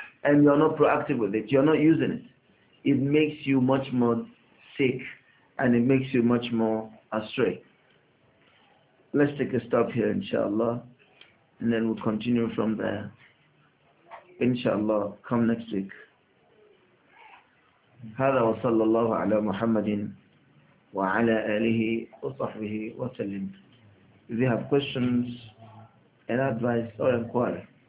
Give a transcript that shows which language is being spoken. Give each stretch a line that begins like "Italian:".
English: And you're not proactive with it. You're not using it. It makes you much more sick, and it makes you much more astray. Let's take a stop here, inshallah. And then we'll continue from there. Inshallah, come next week.
Arabic: هذا وصلى الله على محمد وعلى آله وصحبه وسلم.
English: If you have questions and advice or inquiry.